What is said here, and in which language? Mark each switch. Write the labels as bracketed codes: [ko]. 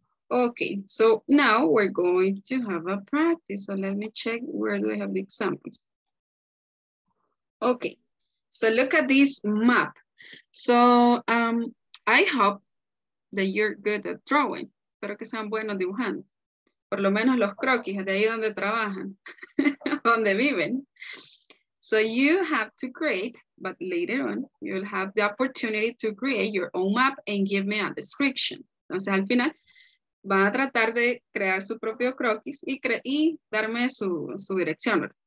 [en] Okay, so now we're going to have a practice. So let me check where do I have the examples. Okay, so look at this map. So I hope that you're good at drawing. [es] Espero que sean buenos dibujando. Por lo menos los croquis, de ahí donde trabajan, donde viven. [en] So you have to create, but later on, you'll have the opportunity to create your own map and give me a description. [es] Entonces al final, van a tratar de crear su propio croquis y darme su dirección.